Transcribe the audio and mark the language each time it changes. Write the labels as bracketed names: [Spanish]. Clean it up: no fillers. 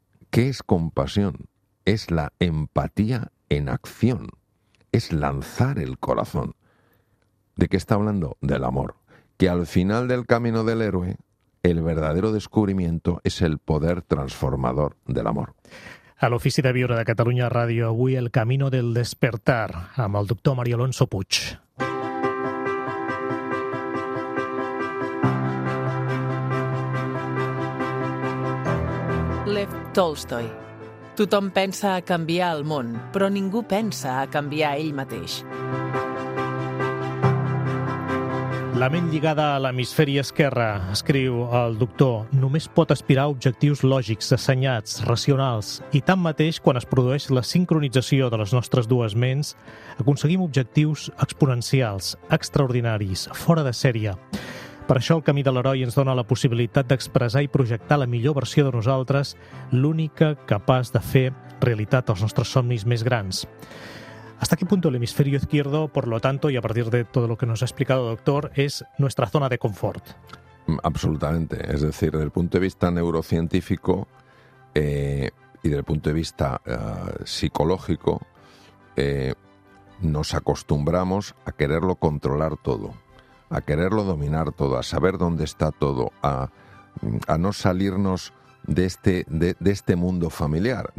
[Spanish] ¿Qué es compasión? Es la empatía en acción. Es lanzar el corazón. ¿De qué está hablando? Del amor. Que al final del camino del héroe, el verdadero descubrimiento es el poder transformador del amor. [Catalan] A l'Ofici de Viure de Catalunya Ràdio, avui El Camino del Despertar, amb el doctor Mario Alonso Puig. Lev Tolstoi. Tothom pensa a canviar el món, però ningú pensa a canviar ell mateix. La ment lligada a l'hemisferi esquerre, escriu el doctor, només pot aspirar a objectius lògics, assenyats, racionals, i tanmateix, quan es produeix la sincronització de les nostres dues ments, aconseguim objectius exponencials, extraordinaris, fora de sèrie. Per això el camí de l'heroi ens dona la possibilitat d'expressar i projectar la millor versió de nosaltres, l'única capaç de fer realitat els nostres somnis més grans. [Spanish] ¿Hasta qué punto el hemisferio izquierdo, por lo tanto, y a partir de todo lo que nos ha explicado, doctor, es nuestra zona de confort? Absolutamente. Es decir, desde el punto de vista neurocientífico y desde el punto de vista psicológico, nos acostumbramos a quererlo controlar todo, a quererlo dominar todo, a saber dónde está todo, a no salirnos de este mundo familiar.